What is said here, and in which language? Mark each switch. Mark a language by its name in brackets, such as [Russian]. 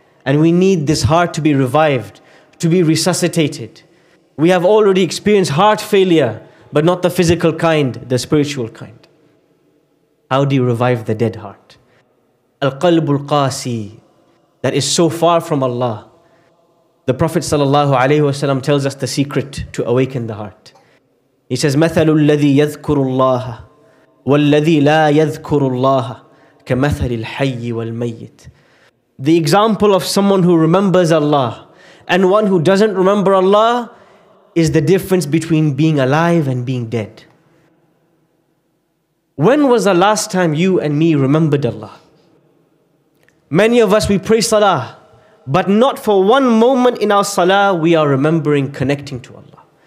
[English] And we need this heart to be revived, to be resuscitated. We have already experienced heart failure, but not the physical kind, the spiritual kind. How do you revive the dead heart? [Arabic] Al-qalb al-qasi, [English] that is so far from Allah. The Prophet sallallahu alaihi wasallam tells us the secret to awaken the heart. He says, [Arabic] مَثَلُ الَّذِي يَذْكُرُ اللَّهَ وَالَّذِي لَا يَذْكُرُ اللَّهَ كَمَثَلِ الْحَيِّ وَالْمَيِّتِ. [English] The example of someone who remembers Allah and one who doesn't remember Allah is the difference between being alive and being dead. When was the last time you and me remembered Allah? Many of us, we pray salah, but not for one moment in our salah we are remembering connecting to Allah.